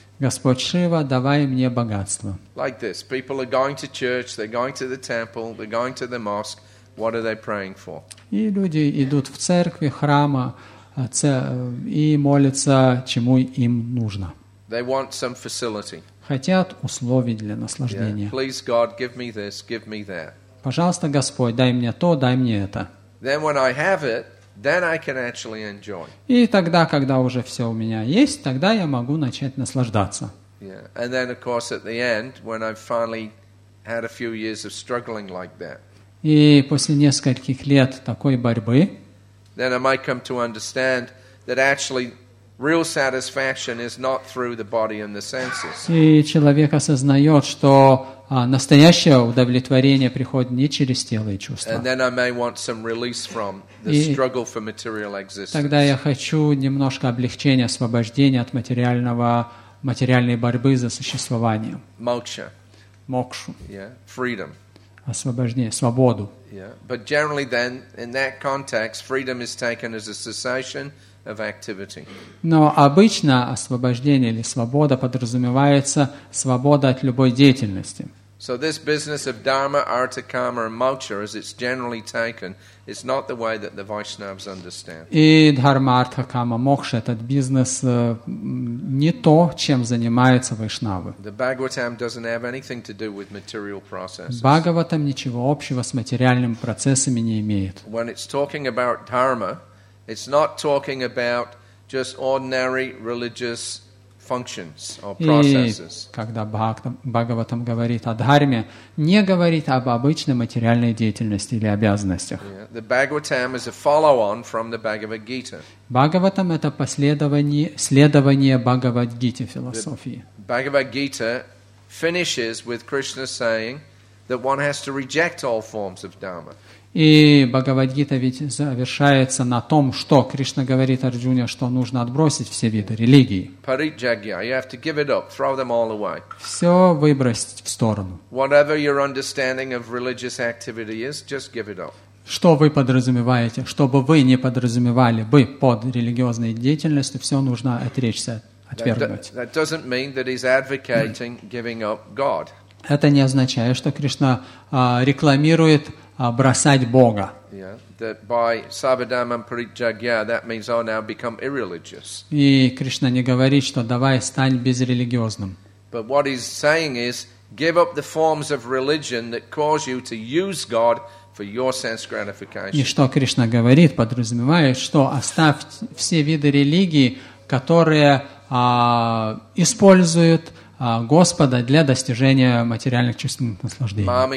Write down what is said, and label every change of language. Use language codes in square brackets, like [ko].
[ru] Господь Шива, давай мне богатство. [en] Like this, people are going to church, they're going to the temple, they're going to the mosque. What are they praying for? [ru] И люди идут в церкви, храма, и молятся, чему им нужно. [en] They want some facility. [ru] Хотят условий для наслаждения. [en] Yeah. Please God, give me this, give me that. [ru] Пожалуйста, Господь, дай мне то, дай мне это. [en] Then when I have it, then I can actually enjoy. [ru] И тогда, когда уже все у меня есть, тогда я могу начать наслаждаться. [en] Yeah. And then of course at the end when I've finally had a few years of struggling like that. [ru] И после нескольких лет такой борьбы, [en] then I might come to understand that actually real satisfaction is not through the body and the senses. [ru] И человек осознает, что настоящее удовлетворение приходит не через тело и чувства. [en] And then I may want some release from the struggle for material existence. [ru] Тогда я хочу немножко облегчения, освобождения от материальной борьбы за существование. [sa] Moksha. [ru] Мокшу. [en] Yeah. Freedom. [ru] Освобождение, свободу. [en] Yeah. But generally, then, in that context, freedom is taken as a cessation. Of activity. [ru] Но обычно освобождение или свобода подразумевается свобода от любой деятельности. [en] So this business of dharma, artha, karma, and moksha, as it's generally taken, is not the way that the Vaishnavas understand. [ru] И дхарма, артха, карма, мокша, этот бизнес не то, чем занимаются вайшнавы. [en] The Bhagavatam doesn't have anything to do with material processes. [ru] Бхагаватам ничего общего с материальными процессами не имеет. [en] When it's talking about dharma, it's not talking about just ordinary religious functions or processes. [ru] И когда Бхагаватам говорит о дхарме, не говорит об обычной материальной деятельности или обязанностях. [en] The Bhagavatam is a follow-on from the Bhagavad Gita. [ru] Бхагаватам это следование Бхагавад-гите философии. [en] Bhagavad Gita finishes with Krishna saying that one has to reject all forms of dharma. [ru] И Бхагавад-гита ведь завершается на том, что Кришна говорит Арджуне, что нужно отбросить все виды религии. [en] Parijagya, you have to give it up, throw them all away. [ru] Все выбросить в сторону. [en] Whatever your understanding of religious activity is, just give it up. [ru] Что вы подразумеваете, что бы вы не подразумевали бы под религиозной деятельностью, все нужно отречься, отвергнуть. [en] That doesn't mean that he's advocating giving up God. [ru] Это не означает, что Кришна рекламирует бросать Бога. [en] That by [sa] Savadhamam Parijagya, [en] that means I now become irreligious. [ru] И Кришна не говорит, что давай стань безрелигиозным. [en] But what he's saying is, give up the forms of religion that cause you to use God for your sense gratification. [ru] И что Кришна говорит, подразумевает, что оставь все виды религии, которые используют Господа для достижения материальных чувственных наслаждений.